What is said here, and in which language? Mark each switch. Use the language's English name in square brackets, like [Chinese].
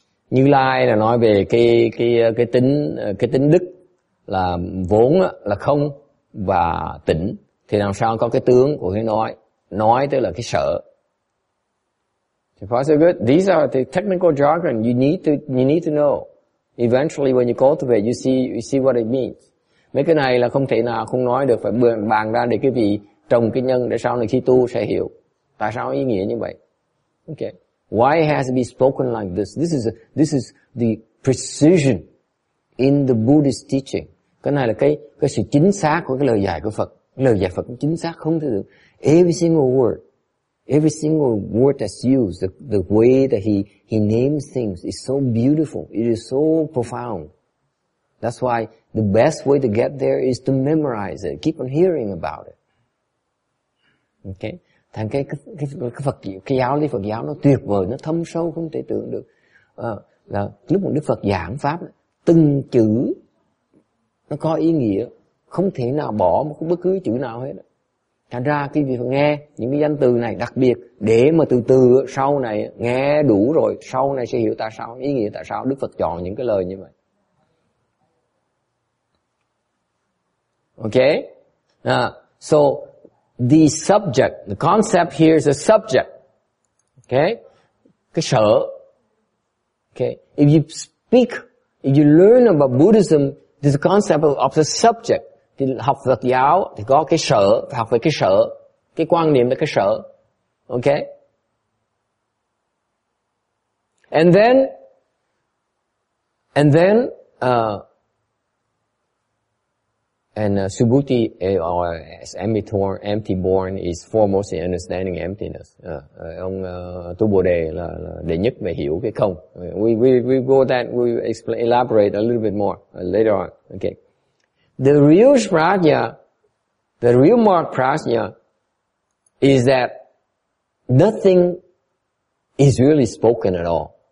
[Vietnamese] Như Lai là nói về cái tính đức là vốn là không và tỉnh, thì làm sao có cái tướng của cái nói tức là cái sở. [English] So good. These are the technical jargon you need to know. Eventually, when you cultivate, you see what it means. [Vietnamese] Mấy cái này là không thể nào không nói được, phải bàn ra để cái vị trồng cái nhân để sau này khi tu sẽ hiểu tại sao ý nghĩa như vậy. Okay. [English] Why has it been spoken like this? This is the precision in the Buddhist teaching. [Vietnamese] Cái này là cái sự chính xác của cái lời dạy của Phật. Lời dạy Phật chính xác không thể được. [English] Every single word that's used, the way that he names things is so beautiful. It is so profound. That's why the best way to get there is to memorize it. Keep on hearing about it. Okay? [Vietnamese] Thành cái Phật, cái giáo lý Phật giáo nó tuyệt vời, nó thâm sâu không thể tưởng được. Là lúc mà Đức Phật giảng Pháp, từng chữ nó có ý nghĩa, không thể nào bỏ một bất cứ chữ nào hết. Thành ra khi vị Phật nghe những cái danh từ này đặc biệt, để mà từ từ sau này nghe đủ rồi, sau này sẽ hiểu tại sao, ý nghĩa tại sao Đức Phật chọn những cái lời như vậy. [English] Okay? So the subject, the concept here is a subject. Okay? Cái sở. Okay? If you speak, if you learn about Buddhism, this concept of the subject, [Vietnamese] thì học Phật giáo thì có cái sở, phải học về cái sở, cái quan niệm là cái sở. [English] Okay? And Subhuti or as empty born is foremost in understanding emptiness. [Vietnamese] Ông Tu Bồ Đề là đệ nhất về hiểu cái không. [English] We go that, we explain, elaborate a little bit more later on. Okay. The real prajna, the real mark prajna is that nothing is really spoken at all.